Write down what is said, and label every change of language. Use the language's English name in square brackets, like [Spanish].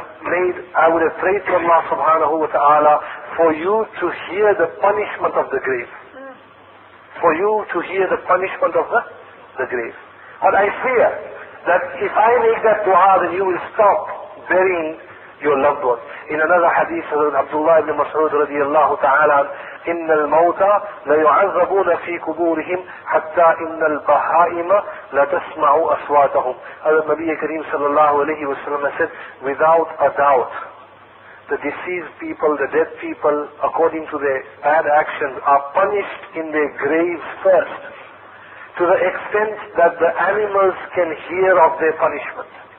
[English] I would have prayed to Allah subhanahu wa ta'ala for you to hear the punishment of the grave. For you to hear the punishment of the grave. But I fear that if I make that dua, then you will stop burying your loved one. In another hadith, Abdullah ibn Mas'ud radiallahu ta'ala, [Arabic] إِنَّ الْمَوْتَ لَيُعَذَّبُونَ فِي كُبُورِهِمْ حَتَّى إِنَّ الْبَحَائِمَ لَتَسْمَعُوا أَصْوَاتَهُمْ. [English] Hazrat Nabi Kareem sallallahu alayhi wa sallam said, without a doubt, the deceased people, the dead people, according to their bad actions, are punished in their graves first, to the extent that the animals can hear of their punishment.